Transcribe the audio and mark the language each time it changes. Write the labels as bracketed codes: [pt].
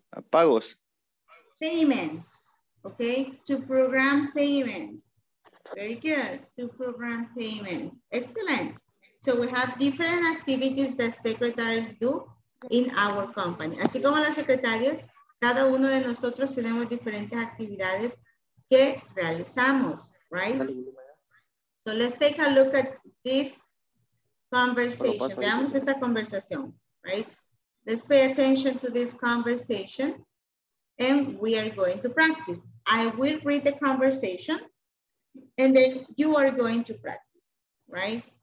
[es] Pagos. [en] Payments. Okay. To program payments. Very good. To program payments. Excellent. So we have different activities that secretaries do in our company. [es] Así como las secretarias, cada uno de nosotros tenemos diferentes actividades que realizamos, [en] right? [es] So let's take a look at this conversation. Veamos esta conversación, [en] right? Let's pay attention to this conversation and we are going to practice. I will read the conversation And then you are going to practice, right?